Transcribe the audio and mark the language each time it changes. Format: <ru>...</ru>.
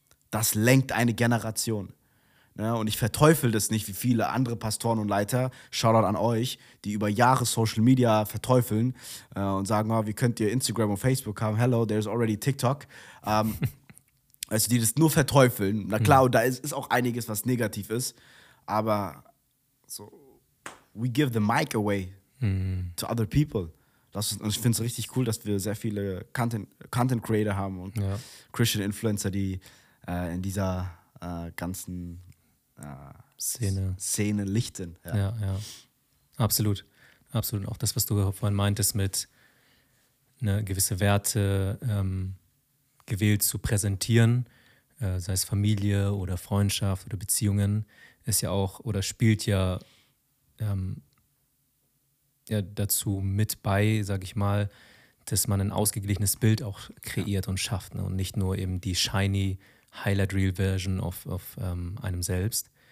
<de>Das lenkt eine Generation. Ja, und ich verteufel das nicht, wie viele andere Pastoren und Leiter, Shoutout an euch, die über Jahre Social Media verteufeln und sagen, oh, wie könnt ihr Instagram und Facebook haben?</de> <en>Hello, there's already TikTok.</en> <de>Also die das nur verteufeln. Na klar, und da ist auch einiges, was negativ ist.</de> <en>Aber so, we give the mic away to other people.</en> <de>Und ich finde es richtig cool, dass wir sehr viele Content-Creator haben und Christian-Influencer, die in dieser ganzen Szene lichten. Ja. Ja, absolut. Absolut. Auch das, was du vorhin meintest, mit eine gewisse Werte gewählt zu präsentieren, sei es Familie oder Freundschaft oder Beziehungen, ist ja auch oder spielt ja, ja dazu mit bei, sag ich mal, dass man ein ausgeglichenes Bild auch kreiert und schafft, ne? Und nicht nur eben die shiny Highlight Reel Version auf einem selbst.</de>